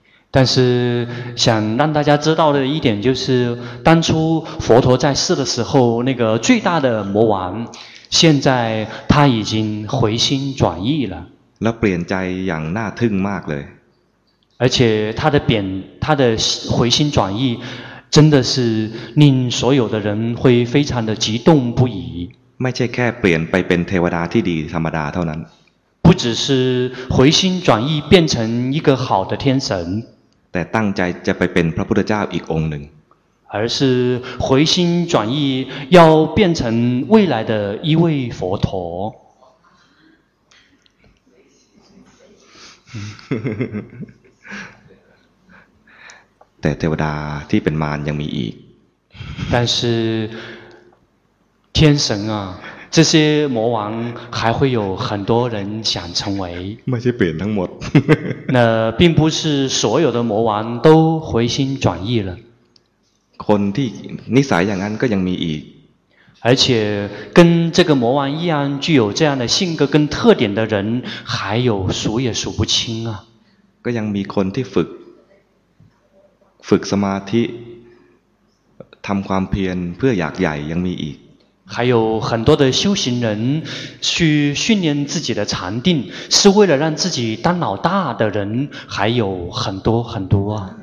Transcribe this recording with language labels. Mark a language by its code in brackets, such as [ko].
[zh] 但是想让大家知道的一点就是当初佛陀在世的时候那个最大的魔王现在他已经回心转意了 [th] แล้วเปลี่ยนใจอย่างน่าทึ่งมากเลย [zh] 而且他的回心转意真的是令所有的人会非常的激动不已 [th] ไม่ใช่แค่เปลี่ยนไปเป็นเทวดาที่ดีธรรมดาเท่านั้น [zh] 不只是回心转意变成一个好的天神 [th] แต่ตั้งใจจะไปเป็นพระพุทธเจ้าอีกองค์หนึ่ง [zh] 而是回心转意要变成未来的一位佛陀 [th] แต่เทวดาที่เป็นมารยังมีอีก [zh] 但是天神啊这些魔王还会有很多人想成为 [th] ไม่ใช่เปลี่ยนทั้งหมด [zh] 那并不是所有的魔王都回心转意了 [th] คนที่นิสัยอย่างนั้นก็ยังมีอีก [zh] 而且跟这个魔王一样具有这样的性格跟特点的人还有数也数不清啊 [th] ก็ยังมีคนที่ฝึกสมาธิทำความเพียรเพื่ออยากใหญ่ยังมีอีก [zh] 还有很多的修行人去训练自己的禅定是为了让自己当老大的人还有很多很多啊